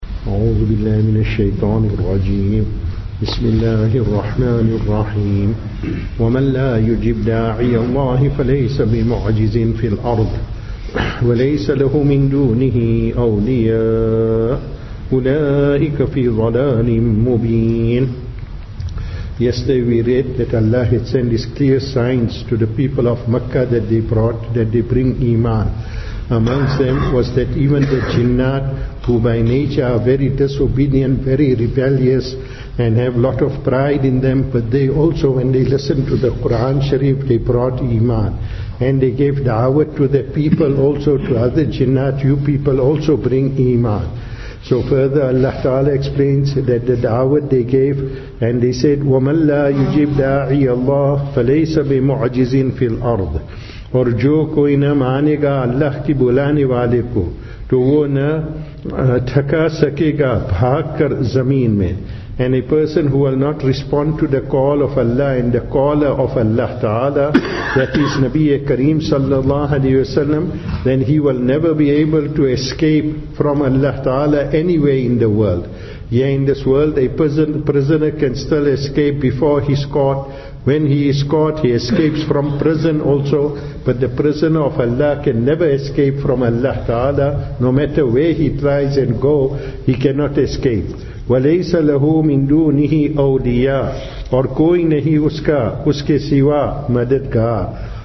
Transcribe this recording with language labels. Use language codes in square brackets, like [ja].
[ar] أعوذ بالله من الشيطان الرجيم. بسم الله الرحمن الرحيم. ومن لا يجب داعي الله فليس بمعجز في الأرض وليس له من دونه أولياء أولئك في ضلال مبين. [en] Yesterday we read that Allah had sent His clear signs to the people of Mecca that they bring Iman. Amongst them was that even the jinnat, who by nature are very disobedient, very rebellious, and have lot of pride in them, but they also, when they listen to the Quran Sharif, they brought Iman. And they gave da'wah to their people also, to other jinnat, you people also bring Iman. So further Allah Ta'ala explains that the da'wah they gave, and they said, [ar] وَمَنْ لَا يُجِبْ دَاعِيَ اللَّهِ فَلَيْسَ بِمُعْجِزٍ فِي الْأَرْضِ. [ur] اور جو کوئی نہ مانے گا اللہ کی بلانے والے کو تو وہ نہ تھکا سکے گا بھاگ کر زمین میں. [en] And a person who will not respond to the call of Allah and the caller of Allah Ta'ala, that is Nabi Kareem sallallahu alayhi wa sallam, then he will never be able to escape from Allah Ta'ala anywhere in the world. Yeah, in this world a prisoner can still escape before he's caught. When he is caught, he escapes from prison also. But the prisoner of Allah can never escape from Allah Ta'ala. No matter where he tries and go, he cannot escape. [ar] وَلَيْسَ لَهُ مِن دُونِهِ أَوْلِيَا. [ur] اور کوئی نہیں اس کا اس کے سوا مددگار.